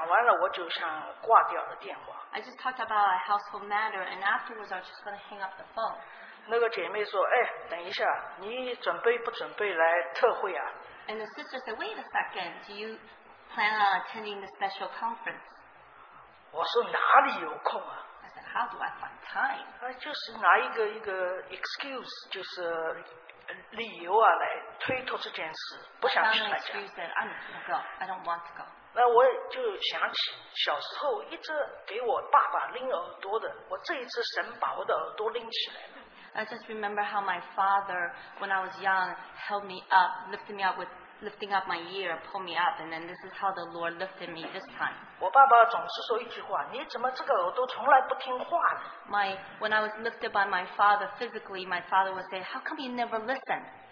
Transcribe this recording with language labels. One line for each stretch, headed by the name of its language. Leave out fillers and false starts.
Chinese: 我就讲起家里一件事情，讲完了我就想挂掉了电话。
English: I just talked about a household matter, and afterwards, I was just going to hang up the phone.
Chinese: 那个姐妹说，哎，等一下，你准备不准备来特会啊？
English: And the sister said, wait a second, do you plan on attending the special conference?
Chinese: 我说哪里有空啊？
English: How do I find time?
Chinese: 就是拿一个 excuse, 就是理由来推脱这件事，不想去参加。那我就想起小时候一直给我爸爸拎耳朵的，我这一次神把我的耳朵拎起来了。
English: I just remember how my father, when I was young, held me up, lifted me up with. Lifting up my ear, pull me up, and then this is how the Lord lifted me this time.
Chinese: 我爸爸总是说一句话，你怎么这个耳朵从来不听话呢？
English: When I was lifted by my father physically, my father would say, "How come you never listen?"